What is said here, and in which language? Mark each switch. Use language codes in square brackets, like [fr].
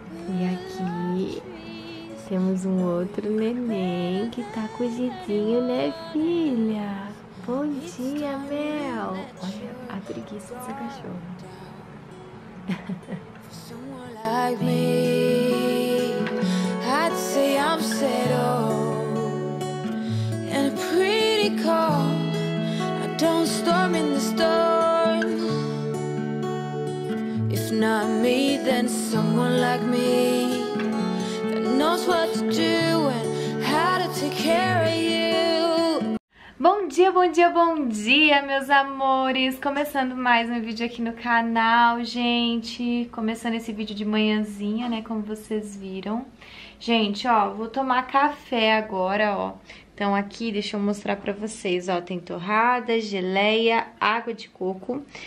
[pt] E aqui temos um outro neném que tá cozidinho, né, filha? Bom dia, Mel. Olha a preguiça dessa cachorra. [en] Like me, I'd say I'm settled and pretty calm. I don't storm in the storm. If not me, then someone like me that knows what to do and how to take care of you. [pt] Bom dia, bom dia, bom dia, meus amores! Começando mais um vídeo aqui no canal, gente. Começando esse vídeo de manhãzinha, né, como vocês viram. Gente, ó, vou tomar café agora, ó. Então aqui, deixa eu mostrar pra vocês, ó, tem torrada, geleia, água de coco.